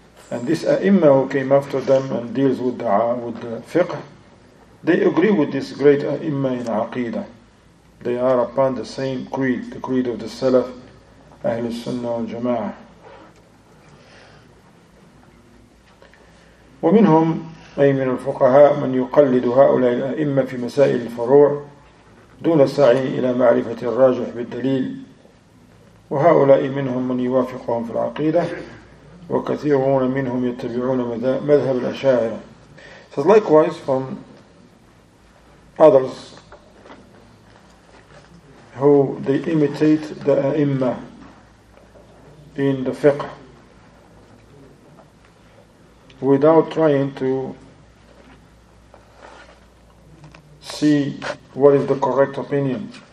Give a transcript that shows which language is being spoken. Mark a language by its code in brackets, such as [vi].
[en] And this A'imma who came after them and deals with the fiqh, they agree with this great A'imma in Aqeedah. They are upon the same creed, the creed of the Salaf, Ahlul Sunnah wal Jama'ah. [ar] ومنهم أي من الفقهاء من يقلد هؤلاء الأئمة في مسائل الفروع دون سعي إلى معرفة الراجح بالدليل وهؤلاء منهم من يوافقهم في العقيدة وكثيرون منهم يتبعون مذهب الأشاعرة. [en] So likewise from others who they imitate the أئمة in the fiqh without trying to see what is the correct opinion.